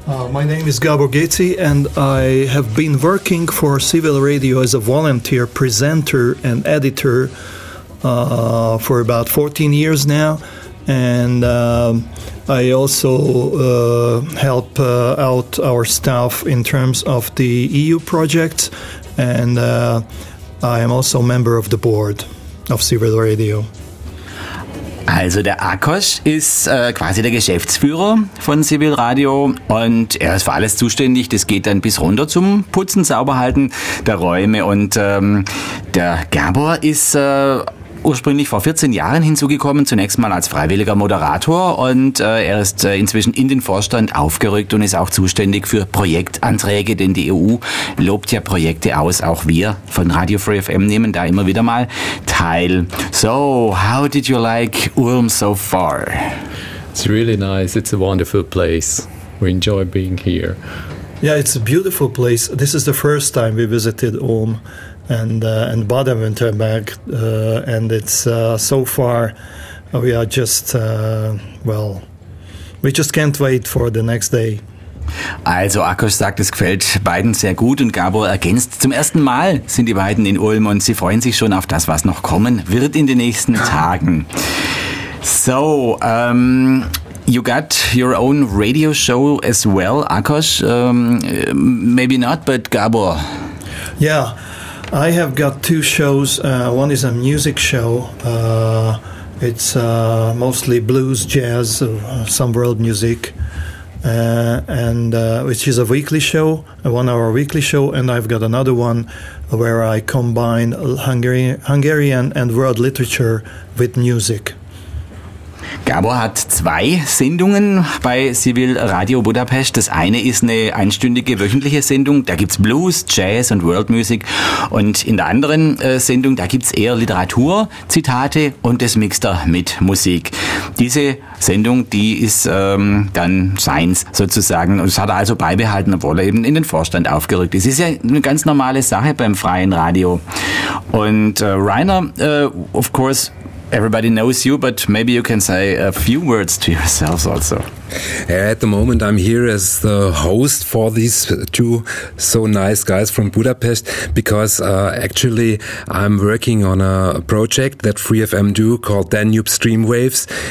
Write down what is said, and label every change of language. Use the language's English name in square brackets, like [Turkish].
[English] My name is Gabor Getzi and I have been working for Civil Radio as a volunteer presenter and editor for about 14 years now, and I also help out our staff in terms of the EU project, and I am also a member of the board of Civil Radio. [German] Also der Ákos ist quasi der Geschäftsführer von Civil Radio und er ist für alles zuständig. Das geht dann bis runter zum Putzen, Sauberhalten der Räume. Und der Gabor ist ursprünglich vor 14 Jahren hinzugekommen, zunächst mal als freiwilliger Moderator. Und er ist inzwischen in den Vorstand aufgerückt und ist auch zuständig für Projektanträge, denn die EU lobt ja Projekte aus. Auch wir von Radio Free FM nehmen da immer wieder mal teil. [English] So, how did you like Ulm so far? It's really nice. It's a wonderful place. We enjoy being here. Yeah, it's a beautiful place. This is the first time we visited Ulm and Baden-Württemberg, and it's so far we are just we just can't wait for the next day. [German] Also Ákos sagt, es gefällt beiden sehr gut und Gabor ergänzt, zum ersten Mal sind die beiden in Ulm und sie freuen sich schon auf das, was noch kommen wird in den nächsten Tagen. [English] So, you got your own radio show as well, Ákos. Maybe not, but Gabor. Yeah, I have got two shows. One is a music show. It's mostly blues, jazz, some world music. And which is a weekly show, a one-hour weekly show, and I've got another one where I combine Hungarian and world literature with music. [German] Gabor hat zwei Sendungen bei Civil Radio Budapest. Das eine ist eine einstündige wöchentliche Sendung. Da gibt's Blues, Jazz und World Music. Und in der anderen Sendung, da gibt's eher Literatur, Zitate und das mixt er mit Musik. Diese Sendung, die ist dann seins sozusagen. Das hat er also beibehalten, obwohl er eben in den Vorstand aufgerückt ist. Das ist ja eine ganz normale Sache beim freien Radio. Und [English] Rainer, of course, everybody knows you, but maybe you can say a few words to yourselves also. At the moment, I'm here as the host for these two so nice guys from Budapest, because actually I'm working on a project that FreeFM do called Danube Streamwaves.